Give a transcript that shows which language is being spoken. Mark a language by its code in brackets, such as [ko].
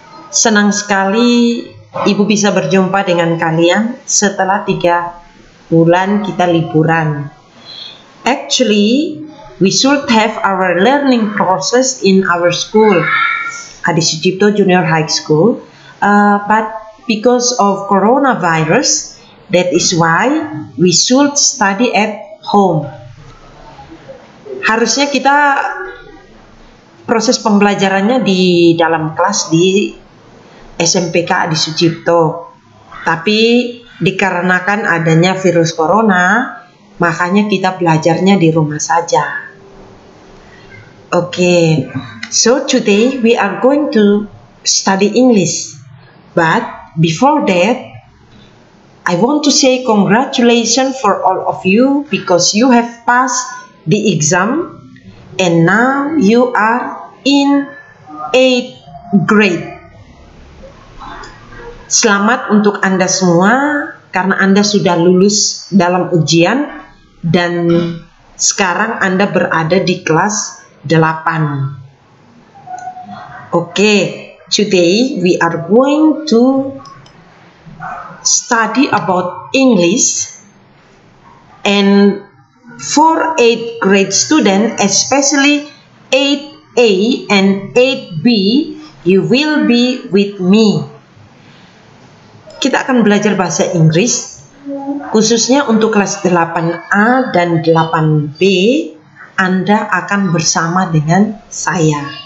[id] Senang sekali ibu bisa berjumpa dengan kalian setelah 3 bulan kita liburan. [en] Actually, we should have our learning process in our school, Adi Sucipto Junior High School, but because of coronavirus, that is why we should study at home. [id] Harusnya kita proses pembelajarannya di dalam kelas di SMPK Adi Sucipto, tapi dikarenakan adanya virus corona, makanya kita belajarnya di rumah saja. [en] Okay, so today we are going to study English. But before that, I want to say congratulations for all of you because you have passed the exam and now you are in 8th grade. [id] Selamat untuk Anda semua karena Anda sudah lulus dalam ujian dan sekarang Anda berada di kelas 8. [en] Okay, today we are going to study about English, and for 8th grade student, especially 8A and 8B, you will be with me. [id] Kita akan belajar bahasa Inggris, khususnya untuk kelas 8A dan 8B. Anda akan bersama dengan saya.